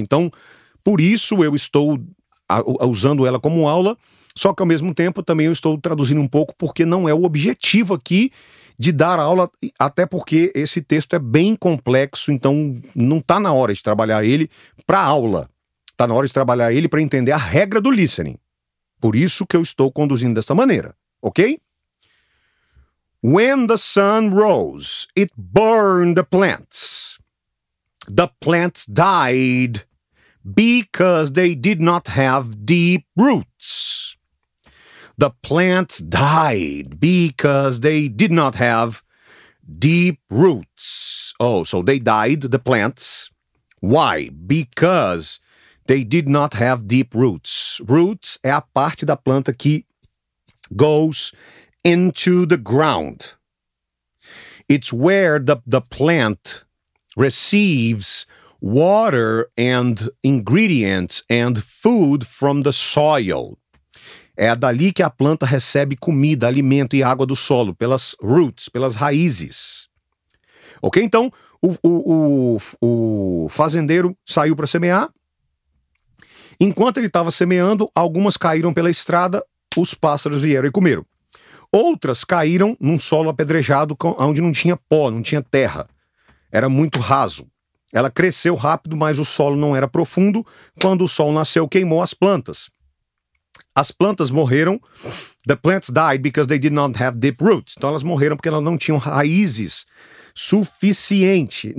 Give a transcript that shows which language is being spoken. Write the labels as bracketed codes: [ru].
[pt] Então, por isso eu estou usando ela como aula. Só que, ao mesmo tempo, também eu estou traduzindo um pouco, porque não é o objetivo aqui de dar aula, até porque esse texto é bem complexo, então não está na hora de trabalhar ele para aula. Está na hora de trabalhar ele para entender a regra do listening. Por isso que eu estou conduzindo dessa maneira, ok? [en] When the sun rose, it burned the plants. The plants died because they did not have deep roots. The plants died because they did not have deep roots. Oh, so they died, the plants. Why? Because they did not have deep roots. [pt] Roots é a parte da planta que [en] goes into the ground. It's where the plant receives water and ingredients and food from the soil. [pt] É dali que a planta recebe comida, alimento e água do solo, pelas roots, pelas raízes. Ok? Então, o fazendeiro saiu para semear. Enquanto ele estava semeando, algumas caíram pela estrada, os pássaros vieram e comeram. Outras caíram num solo apedrejado onde não tinha pó, não tinha terra. Era muito raso. Ela cresceu rápido, mas o solo não era profundo. Quando o sol nasceu, queimou as plantas. As plantas morreram. [en] The plants died because they did not have deep roots. [pt] Então elas morreram porque elas não tinham raízes suficiente.